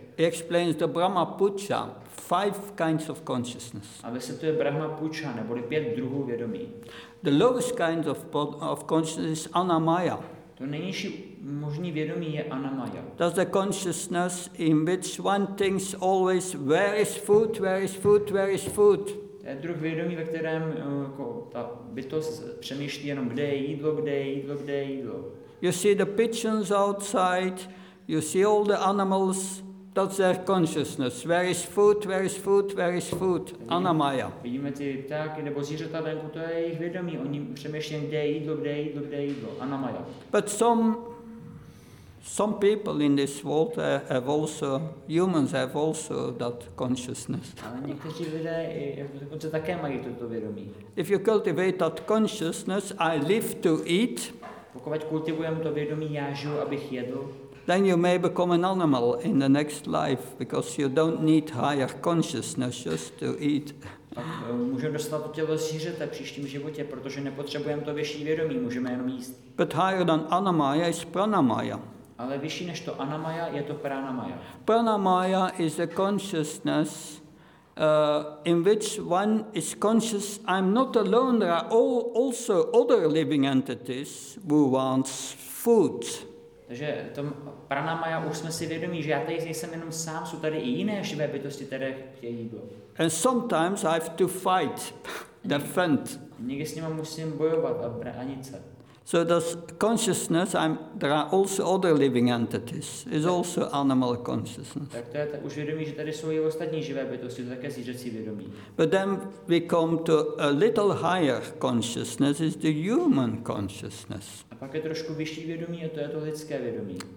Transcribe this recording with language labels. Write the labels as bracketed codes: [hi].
[en] He explains the Brahmapucha, five kinds of consciousness. [cs] A vysvětluje Brahmapucha, neboli pět druhů vědomí. [en] The lowest kind of consciousness is Anamaya. [cs] To nejnižší možný vědomí je Anamaya. [en] That's the consciousness in which one thinks always, where is food, where is food, where is food. [cs] To je druh vědomí, ve kterém jako, ta bytost přemýšlí jenom, kde je jídlo, kde je jídlo, kde je jídlo. [en] You see the pigeons outside, you see all the animals, that's their consciousness. Where is food, where is food, where is food, Anamaya. [cs] Vidíme ty ptáky nebo zvířata venku, to je jejich vědomí. Oni přemýšlí, kde je jídlo, kde je jídlo, kde je jídlo, Anamaya. [en] But some people in this world have also, humans have also that consciousness. [cs] Ale někteří lidé dokonce také mají toto vědomí. [en] If you cultivate that consciousness, I live to eat. [cs] Pokud kultivujeme to vědomí, já žiju, abych jedl. [en] Then you may become an animal in the next life because you don't need higher consciousness just to eat. [cs] Můžeme dostat to tělo zvířete v příštím životě, protože nepotřebujeme to vyšší vědomí, můžeme jenom jíst. [en] But higher than Anamaya is Pranamaya. [cs] Ale vyšší než to Anamaya je to Pranamaya. [en] Pranamaya is a consciousness in which one is conscious, I'm not alone, there are also other living entities who want food. [cs] Takže to pranamaya už jsme si vědomí, že já tady nejsem jenom sám, jsou tady i jiné živé bytosti, které chtějí jídlo. [en] And sometimes I have to fight, defend. [cs] Někdy s nimi musím bojovat a bránit se. [en] So there's consciousness, there are also other living entities, is also animal consciousness. [cs] Tak to je tak už vědomí, že tady jsou i ostatní živé bytosti, to také zvířecí vědomí. [en] But then we come to a little higher consciousness, is the human consciousness. [cs] A pak je trošku vyšší vědomí a to je to lidské vědomí.